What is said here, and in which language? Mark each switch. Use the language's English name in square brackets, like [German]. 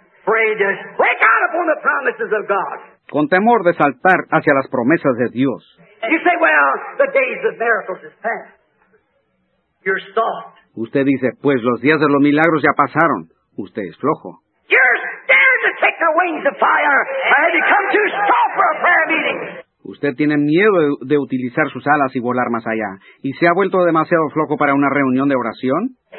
[English] afraid to wake out upon the promises of God. [Spanish] Con temor de saltar hacia las promesas de Dios. [English] You say, well, the days of miracles is past. You're soft. [Spanish] Usted dice, pues los días de los milagros ya pasaron. Usted es flojo. [English] You're scared to take the wings of fire and become too soft for a prayer meeting. [Spanish] Usted tiene miedo de utilizar sus alas y volar más allá. ¿Y se ha vuelto demasiado flojo para una reunión de oración?